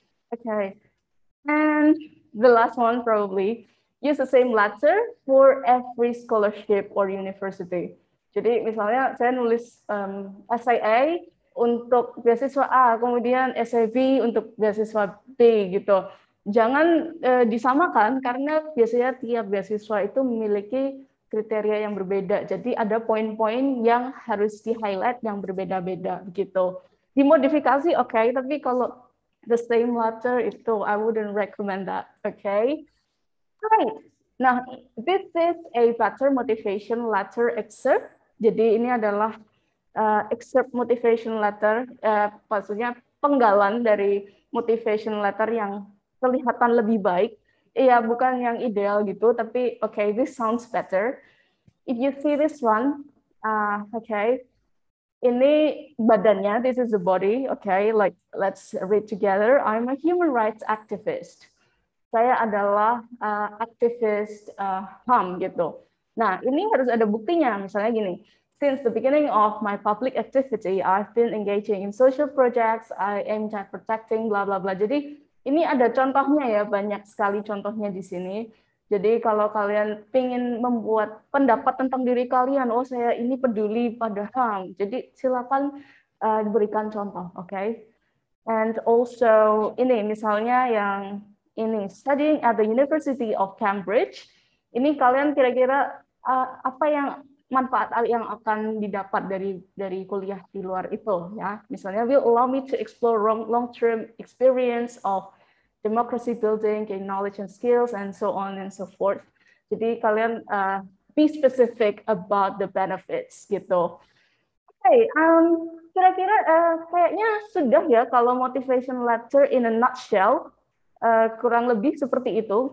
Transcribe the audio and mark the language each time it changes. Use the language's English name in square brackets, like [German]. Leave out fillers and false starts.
[English] Okay, and the last one probably, use the same letter for every scholarship or university. [Indonesian] Jadi misalnya saya nulis essay A untuk beasiswa A, kemudian essay B untuk beasiswa B gitu. Jangan disamakan karena biasanya tiap beasiswa itu memiliki kriteria yang berbeda. Jadi ada poin-poin yang harus di-highlight yang berbeda-beda gitu. Dimodifikasi oke, okay, tapi kalau [English] the same letter itu, I wouldn't recommend that. Okay, great. Nah, this is a better motivation letter excerpt. [Indonesian] Jadi ini adalah excerpt motivation letter, maksudnya penggalan dari motivation letter yang kelihatan lebih baik. Iya, bukan yang ideal gitu, tapi okay, [English] this sounds better. If you see this one, okay, [Indonesian] ini badannya, [English] this is the body, okay, like let's read together. I'm a human rights activist. [Indonesian] Saya adalah activist HAM gitu. Nah, ini harus ada buktinya, misalnya gini. [English] Since the beginning of my public activity, I've been engaging in social projects, I aim at protecting, blah, blah, blah. [Indonesian] Jadi, ini ada contohnya ya, banyak sekali contohnya di sini. Jadi, kalau kalian ingin membuat pendapat tentang diri kalian, oh, saya ini peduli pada HAM. Jadi, silakan berikan contoh, okay? [English] And also, [Indonesian] ini misalnya yang ini, [English] studying at the University of Cambridge. [Indonesian] Ini kalian kira-kira apa yang manfaat yang akan didapat dari kuliah di luar itu ya. [English] Misalnya will allow me to explore long-term experience of democracy building, gain knowledge and skills and so on and so forth. [Indonesian] Jadi kalian [English] be specific about the benefits gitu. [Indonesian] Okay, kira-kira kayaknya sudah ya kalau motivation letter [English] in a nutshell [Indonesian] kurang lebih seperti itu.